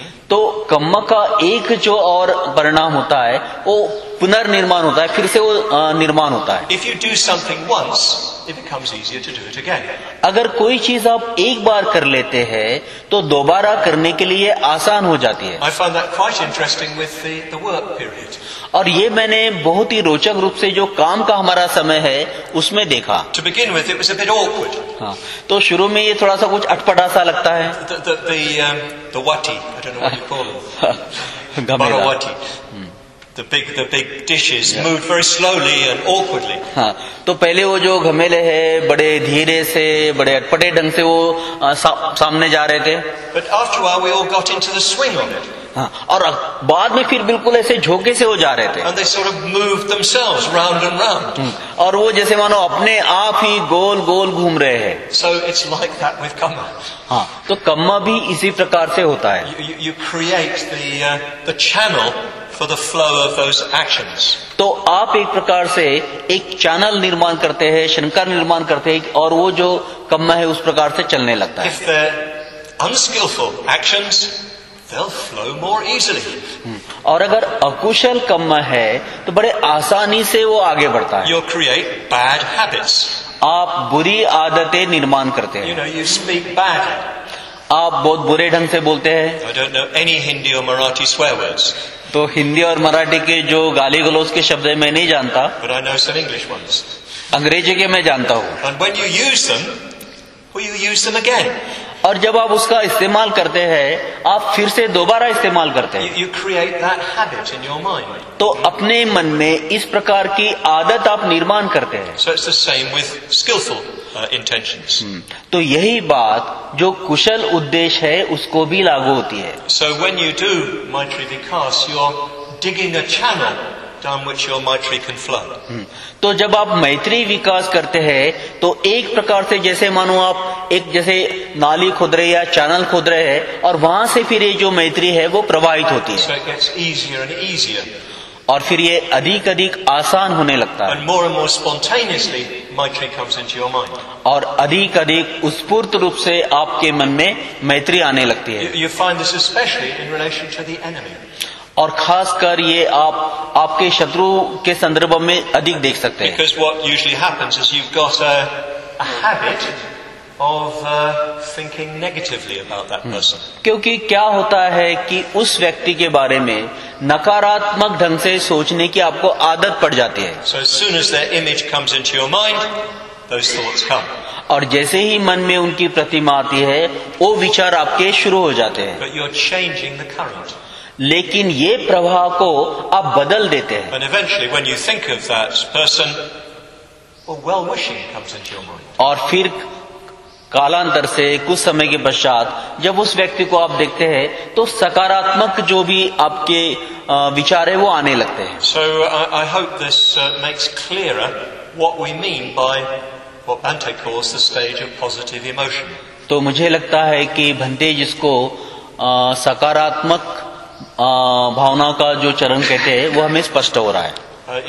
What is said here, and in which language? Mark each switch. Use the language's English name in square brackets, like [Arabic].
[Hindi] तो कर्म का एक जो और परिणाम होता है वो पुनर्निर्माण होता है, फिर से वो निर्माण होता है। [English] If you do something once, it becomes easier to do it again. [Hindi] अगर कोई चीज आप एक बार कर लेते हैं तो दोबारा करने के लिए आसान हो जाती है। [English] I find that quite interesting with the work period. [Hindi] और ये मैंने बहुत ही रोचक रूप से जो काम का हमारा समय है उसमें देखा। [English] To begin with, it was a bit awkward. [Hindi] तो शुरू में ये थोड़ा सा कुछ अटपटा सा लगता है। [English] The wati, I don't know what you call it. [Hindi] गमेला. Bara wati. [English] The big dishes moved very slowly and awkwardly. [Hindi] तो पहले वो जो घमेले है बड़े धीरे से बड़े अटपटे ढंग से वो सामने जा रहे थे। [English] But after a while, we all got into the swing of it. [Hindi] और बाद में फिर बिल्कुल ऐसे झोंके से वो जा रहे थे [English] and they sort of moved themselves round and round. [Hindi] और वो जैसे मानो अपने आप ही गोल गोल घूम रहे हैं [English] so it's like that with kamma. [Hindi] तो कम्मा भी इसी प्रकार से होता है [English] you create the channel for the flow of those actions. [Hindi] तो आप एक प्रकार से एक चैनल निर्माण करते हैं शंकर निर्माण करते हैं और वो जो कम्मा है उस प्रकार से चलने लगता है [English] If they're unskillful actions, they'll flow more easily. [Hindi] और अगर अकुशल कम्म है तो बड़े आसानी से वो आगे बढ़ता है [English] You'll create bad habits. [Hindi] आप बुरी आदतें निर्माण करते हैं [English] You know, you speak bad. [Hindi] आप बहुत बुरे ढंग से बोलते हैं [English] I don't know any Hindi or Marathi swear words. [Hindi] तो हिंदी और मराठी के जो गाली गलौज के शब्द है मैं नहीं जानता [English] But I know some English ones. [Hindi] अंग्रेजी के मैं जानता हूँ [English] And when you use them, will you use them again? [Hindi] और जब आप उसका इस्तेमाल करते हैं आप फिर से दोबारा इस्तेमाल करते हैं [English] you create that habit in your mind. [Hindi] तो अपने मन में इस प्रकार की आदत आप निर्माण करते हैं [English] so it's the same with skillful, intentions. [Hindi] तो यही बात जो कुशल उद्देश्य है उसको भी लागू होती है [English] so when you do Maitri Vikas, you're digging a channel down which your Maitri can flow. [Hindi] तो जब आप मैत्री विकास करते हैं तो एक प्रकार से जैसे मानो आप एक जैसे नाली खोद रहे या चैनल खोद रहे हैं और वहां से फिर ये जो मैत्री है वो प्रवाहित होती है [English] so it gets easier and easier. [Hindi] और फिर ये अधिक अधिक आसान होने लगता है [English] and more and more spontaneously, Maitri comes into your mind. [Hindi] और अधिक अधिक उत्स्फूर्त रूप से आपके मन में मैत्री आने लगती है [English] you find this especially in relation to the enemy. [Hindi] और खासकर ये आप आपके शत्रु के संदर्भ में अधिक देख सकते हैं [English] Because what usually happens is you've got a habit of thinking negatively about that person. [Hindi] क्योंकि क्या होता है कि उस व्यक्ति के बारे में नकारात्मक ढंग से सोचने की आपको आदत पड़ जाती है [English] So as soon as their image comes into your mind, those thoughts come. [Hindi] और जैसे ही मन में उनकी प्रतिमा आती है वो विचार आपके शुरू हो जाते हैं [English] But you're changing the current. [Hindi] लेकिन ये प्रभाव को आप बदल देते हैं [English] And eventually, when you think of that person, well-wishing comes into your mind. [Hindi] और फिर कालांतर से कुछ समय के पश्चात जब उस व्यक्ति को आप देखते हैं तो सकारात्मक जो भी आपके विचार है वो आने लगते हैं [English] So I hope this makes clearer what we mean by what Bhante calls the stage of positive emotion. [Hindi] तो मुझे लगता है कि भंते जिसको सकारात्मक भावना का जो चरण कहते हैं वो हमें स्पष्ट हो रहा है